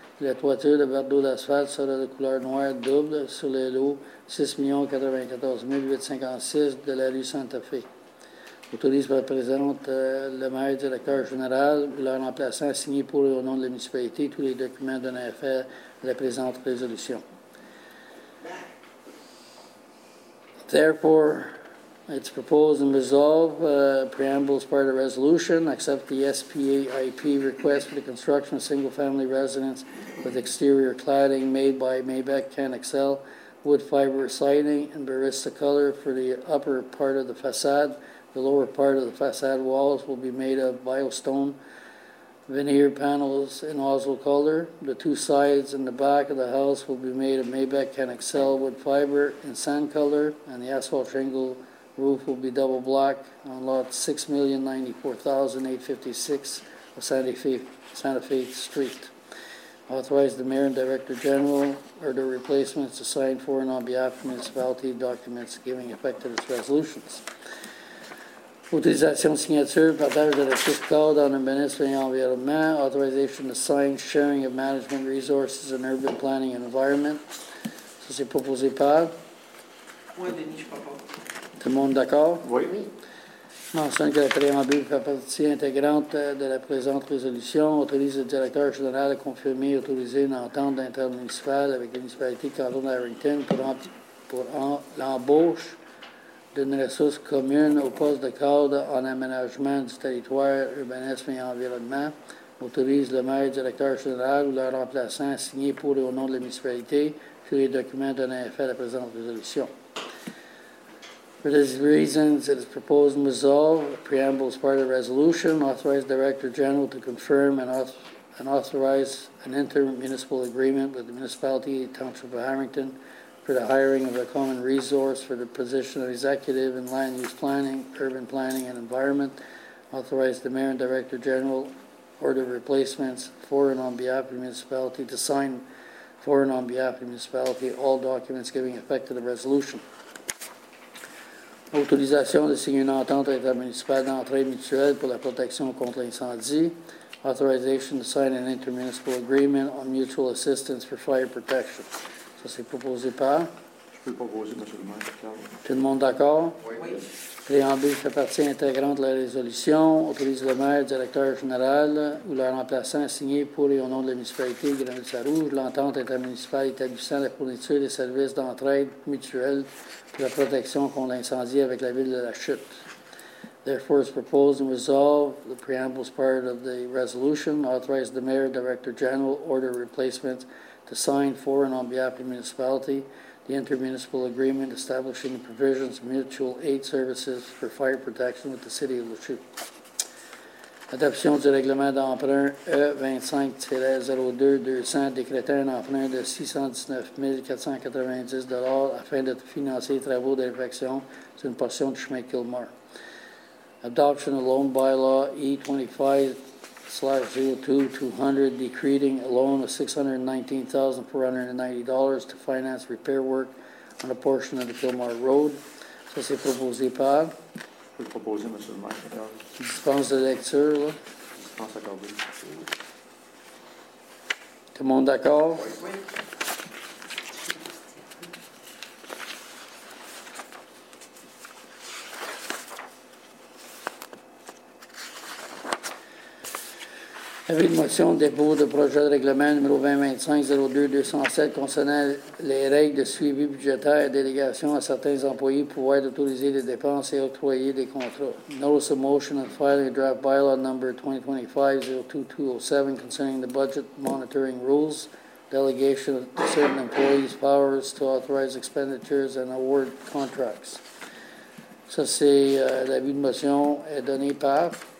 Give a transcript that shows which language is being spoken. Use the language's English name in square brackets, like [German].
[French] La toiture de bardeaux d'asphalte sera de couleur noire double sur les lots 6,094,856 de la rue Santa Fe. Autorise par la présente le maire directeur général ou leur remplaçant à signer pour au nom de la municipalité tous les documents donnant effet à la présente résolution. [English] Therefore, it's proposed and resolved, preamble is part of the resolution, accept the SPA IP request for the construction of single-family residence with exterior cladding made by Maybeck Can Excel, wood fiber siding and barista color for the upper part of the facade. The lower part of the facade walls will be made of biostone veneer panels in Oslo color. The two sides and the back of the house will be made of Maybeck Can Excel wood fiber in sand color, and the asphalt shingle roof will be double black on lot 6,094,856 of Santa Fe Street. Authorize the mayor and director general or their replacements to sign for and on behalf of municipality documents giving effect to its resolutions. [French] Autorisation signature, partage de la fiscale dans le ministère de l'Environnement. [English] Authorization to sign sharing of management resources in urban planning and environment. [French] Ça, c'est proposé par? Moi, Denis, je ne crois pas. Tout le monde d'accord? Oui. Mentionne que la préambule fait partie intégrante de la présente résolution. Autorise le directeur général à confirmer et autoriser une entente intermunicipale avec la municipalité de Canton d'Harrington pour l'embauche d'une ressource commune au poste de cadre en aménagement du territoire, urbanisme et environnement. Autorise le maire et directeur général ou leur remplaçant à signer pour et au nom de la municipalité sur les documents donnant effet à la présente résolution. [English] For these reasons, it is proposed and resolved, the preamble is part of the resolution, authorize Director General to confirm and authorize an intermunicipal agreement with the municipality and township of Harrington for the hiring of a common resource for the position of executive in land use planning, urban planning, and environment, authorize the mayor and director general order replacements for and on behalf of the municipality to sign for and on behalf of the municipality all documents giving effect to the resolution. [French] Autorisation de signer une entente intermunicipale d'entraide mutuelle pour la protection contre l'incendie. [English] Authorization to sign an intermunicipal agreement on mutual assistance for fire protection. [French] Ça, c'est proposé par? Je peux proposer, M. le maire. Tout le monde d'accord? Oui. Préambule fait partie intégrante de la résolution. Autorise le maire, directeur général ou leur remplaçant à signer pour et au nom de la municipalité de Grande-Sarrouge l'entente intermunicipale établissant la fourniture des services d'entraide mutuelle la protection contre l'incendie avec la ville de la Chute. [English] Therefore, it's proposed and resolved, the preamble is part of the resolution, authorize the mayor, director general, order replacement to sign for and on behalf of the municipality, the intermunicipal agreement establishing the provisions of mutual aid services for fire protection with the city of La Chute. [French] Adoption du règlement d'emprunt E25-02-200 décrétant un emprunt de 619 490 $ afin de financer les travaux d'infection sur une portion du chemin Kilmer. [English] Adoption of loan bylaw E25-02-200 decreting a loan of $619,490 to finance repair work on a portion of the Kilmer Road. [French] Ça, c'est proposé par... Je peux proposer, M. le maire. Dispense de lecture, là. Dispense accordée. Tout le monde d'accord? Oui. Avis de motion de dépôt de projet de règlement numéro 2025-02-207 concernant les règles de suivi budgétaire et délégation à certains employés pouvoir d'autoriser les dépenses et octroyer des contrats. [English] Notice of motion and filing draft bylaw number 2025-02-207 concerning the budget monitoring rules, delegation of certain employees' powers to authorize expenditures and award contracts. [French] Ça, c'est l'avis de motion est donné par?